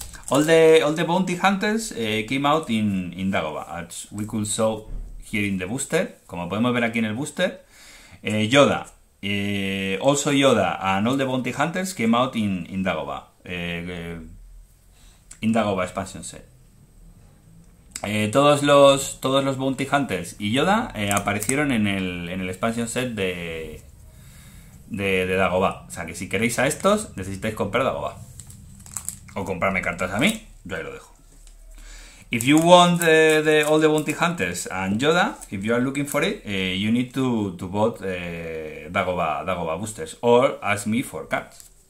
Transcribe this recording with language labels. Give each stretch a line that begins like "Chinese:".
English: All the Bounty Hunters came out in Dagobah. As we could show here in the booster.
Spanish: Como podemos ver aquí en el booster.
English: Yoda. Also Yoda and all the Bounty Hunters came out in Dagobah. In Dagobah Expansion Set.
Spanish: Todos los Bounty Hunters y Yoda aparecieron en el Expansion Set de Dagobah. O sea que si queréis a estos, necesitáis comprar Dagobah. O comprarme cartas a mí, yo ahí lo dejo.
English: If you want all the Bounty Hunters and Yoda, if you are looking for it, you need to bought Dagobah boosters or ask me for cards.